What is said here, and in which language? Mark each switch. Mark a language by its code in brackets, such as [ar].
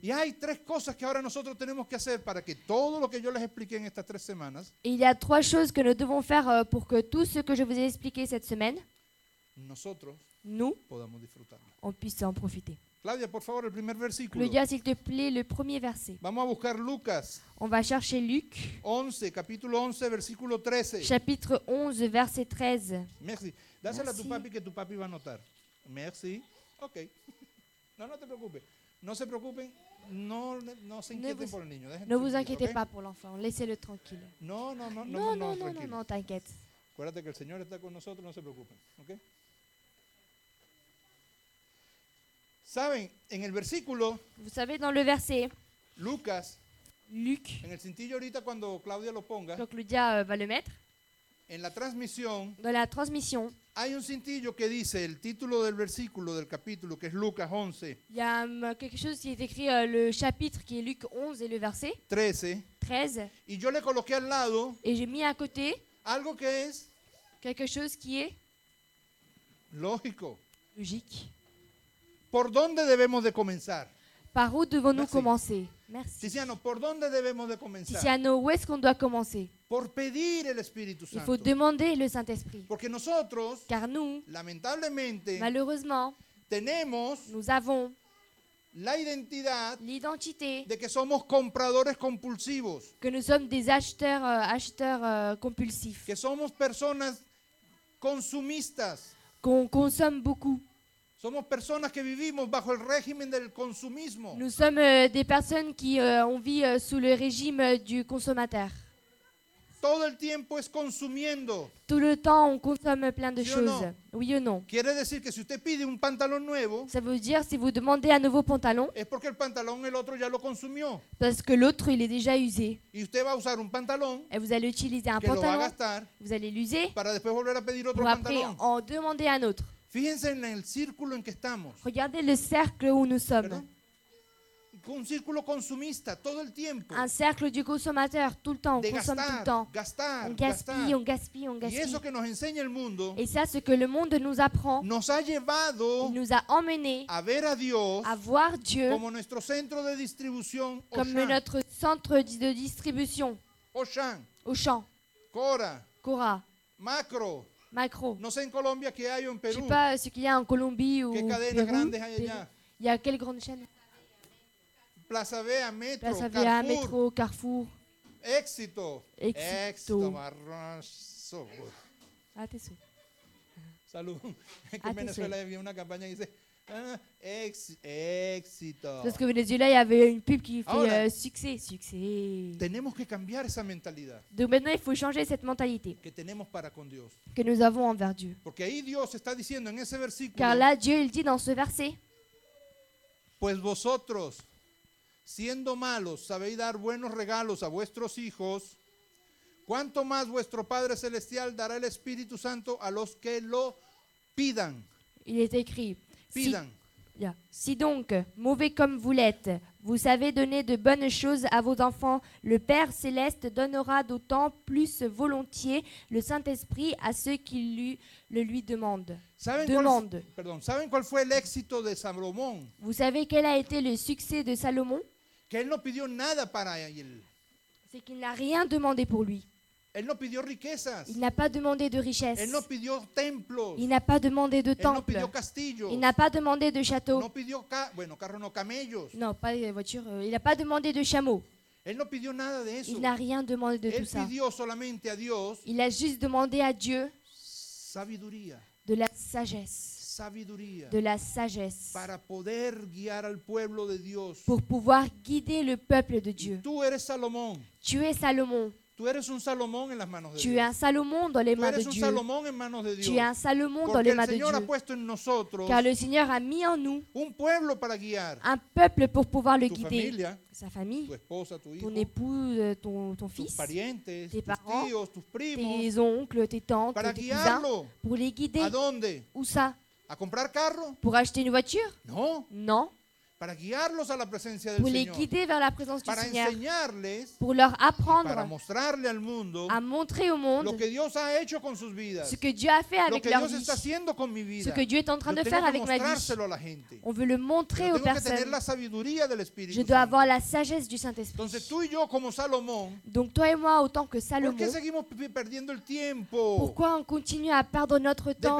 [es] Y hay tres cosas que ahora nosotros tenemos que hacer para que todo lo que yo les expliqué en estas tres semanas. [fr] Et il y a trois choses que nous devons faire pour que tout ce que je vous ai expliqué cette semaine. [es] Nosotros. [fr] Nous. [es] Podamos disfrutarlo. [fr] On puisse en profiter. [es] Claudia, por favor, el primer versículo. [fr] Claudia, s'il te plaît, le premier verset. [es] Vamos a buscar Lucas. [fr] On va chercher Luc. [es] 11, capítulo 11, versículo 13. [fr] Chapitre 11, verset 13. [es] Merci. Dásela a tu papi que tu papi va a notar. Merci. Ok. No te preocupes. No se preocupen. No se inquieten [fr] ne vous, [es] por el niño. [fr] Ne vous inquiétez pas pour l'enfant. Laissez-le tranquille. [es] No, [fr] t'inquiète. [es] Acuérdate que el Señor está con nosotros, no se preocupen. Ok. Saben, en el versículo, [fr] vous savez, dans le verset, [es] Lucas, [fr] Luc, [es] en el cintillo ahorita cuando Claudia lo ponga, [fr] quand Claudia va le mettre, [es] en la transmisión, [fr] dans la transmission, [es] hay un cintillo que dice el título del versículo del capítulo, que es Lucas 11. [fr] Il y a quelque chose qui est écrit le chapitre qui est Luc 11 et le verset [es] 13. [fr] 13. [es] Y yo le coloqué al lado, [fr] et j'ai mis à côté, [es] algo que es, [fr] quelque chose qui est [es] lógico. [fr] Logique. [es] ¿Por dónde debemos de comenzar? [fr] Par où devons-nous Merci. Commencer? Merci. [es] Tiziano, ¿por dónde debemos de comenzar? [fr] Tiziano, où est-ce qu'on doit commencer? [es] Por pedir el Espíritu Santo. [fr] Il faut demander le Saint-Esprit. [es] Porque nosotros, [fr] car nous, [es] lamentablemente, [fr] malheureusement, [es] tenemos, [fr] nous avons, [es] la identidad, [fr] l'identité, [es] de que somos compradores compulsivos, [fr] que nous sommes des acheteurs compulsifs, [es] que somos personas consumistas, [fr] qu'on consomme beaucoup. [es] Somos personas que vivimos bajo el régimen del consumismo. [fr] Nous sommes des personnes qui on vit sous le régime du consommateur. [es] Todo el tiempo es consumiendo. [fr] Tout le temps on consomme plein de choses. Oui ou non? [es] Quiere decir que si usted pide un pantalón nuevo, [fr] ça veut dire si vous demandez un nouveau pantalon, [es] es porque el pantalón el otro ya lo consumió. [fr] Parce que l'autre il est déjà usé. [es] Y usted va a usar un pantalón. [fr] Et vous allez utiliser un pantalon. [es] Que lo va a gastar. [fr] Vous allez l'user. [es] Para después volver a pedir otro pantalón. [fr] Pour après en demander un autre. [es] Fíjense en el círculo en que estamos. [fr] Regardez le cercle où nous sommes. [es] ¿Perdón? Un círculo consumista todo el tiempo. [fr] Un cercle du consommateur tout le temps, on consomme tout le temps. [es] Gastar, [fr] on gaspille, [es] gastar. [fr] On gaspille, on gaspille. [es] Y eso que nos enseña el mundo. [fr] Et ça, ce que le monde nous apprend. [es] Nos ha llevado. [fr] Il nous a emmené. [es] A ver a Dios. [fr] À voir Dieu. [es] Como nuestro centro de distribución. [fr] Comme Auchan. Notre centre de distribution. Auchan. Auchan. Cora. Cora. Macro. Macro. [es] No sé en Colombia qué hay o en Perú. [fr] Je sais pas ce qu'il y a en Colombie ou [es] qué cadenas Perú, grandes hay allá. [fr] Il y a quelle grande chaîne? [es] Plaza Vea, Metro, Plaza Vea, Carrefour. Metro, Carrefour. Éxito. Éxito. Marrazo. [fr] Ah, t'es sûr. [es] Salud. Es que en Venezuela había una campaña que dice Éxito. Entonces, que Venezuela ya había [fr] une pub qui fait [es] ahora, [fr] succès, succès. [es] Tenemos que cambiar esa mentalidad. [fr] Donc maintenant il faut changer cette mentalité. [es] Que tenemos para con Dios. [fr] Que nous avons envers Dieu. [es] Porque ahí Dios está diciendo en ese versículo. [fr] Car là Dieu il dit dans ce verset. [es] Pues vosotros siendo malos sabéis dar buenos regalos a vuestros hijos, ¿cuánto más vuestro Padre celestial dará el Espíritu Santo a los que lo pidan? [fr] Il est écrit. [es] Pidan. [fr] Si donc, mauvais comme vous l'êtes, vous savez donner de bonnes choses à vos enfants, le Père céleste donnera d'autant plus volontiers le Saint-Esprit à ceux qui le lui demandent. [es] ¿Saben cuál fue el éxito de Salomón? [fr] Vous savez quel a été le succès de Salomon? [es] Que él no pidió nada para él. [fr] C'est qu'il n'a rien demandé pour lui. [es] Él no pidió riquezas. [fr] Il n'a pas demandé de richesses. [es] Él no pidió templos. [fr] Il n'a pas demandé de temples. [es] Él no pidió castillos. [fr] Il n'a pas demandé de châteaux. [es] No pidió carros, no camellos. [fr] Non, pas de voiture. Il n'a pas demandé de chameaux. [es] Él no pidió nada de eso. [fr] Il n'a rien demandé de [es] él [fr] tout ça. [es] Él pidió solamente a Dios. [fr] Il a juste demandé à Dieu. [es] Sabiduría. [fr] De la sagesse. [es] Sabiduría. [fr] De la sagesse. [es] Para poder guiar al pueblo de Dios. [fr] Pour pouvoir guider le peuple de Dieu. [es] Y tú eres Salomón. [fr] Tu es Salomón. [es] Tú eres un Salomón en las manos de [fr] Dios. Tu es un Salomón dans les mains de [es] Dieu. Tú eres un Salomón en manos de Dios. [fr] Tu es un Salomón dans les mains de Dieu. [es] Porque el Señor ha puesto en nosotros. [fr] Car le Seigneur a mis en nous. [es] Un pueblo para guiar. [fr] Un peuple pour pouvoir le guider. [es] Tu familia. [fr] Sa famille. [es] Tu esposa, tu hijo. [fr] Ton épouse, ton fils. [es] Tus parientes. [fr] Tes parents. [es] Tus tíos, tus primos. [fr] Tes oncles, tes tantes. [es] Para guiarlo. [fr] Pour les guider. [es] ¿A dónde? [fr] Où ça? [es] ¿A comprar carro? [fr] Pour acheter une voiture? Non. Non. [es] Para guiarlos a la presencia del Señor. Para enseñarles. [fr] Pour leur apprendre. [es] Para mostrarle al mundo. [fr] À montrer au monde. [es] Lo que Dios ha hecho con sus vidas. [fr] Ce que Dieu a fait avec leur vie. [es] Lo que Dios está haciendo con mi vida. [fr] Ce que Dieu est en train de faire avec ma vie. [es] Mostrárselo a la gente. [fr] On veut le montrer aux personnes. [es] Tengo que tener la sabiduría del Espíritu. [fr] Je dois avoir la sagesse du Saint-Esprit. [es] Entonces tú y yo como Salomón. [fr] Donc toi et moi autant que Salomon. [es] ¿Por qué seguimos perdiendo el tiempo? [fr] Pourquoi on continue à perdre notre temps?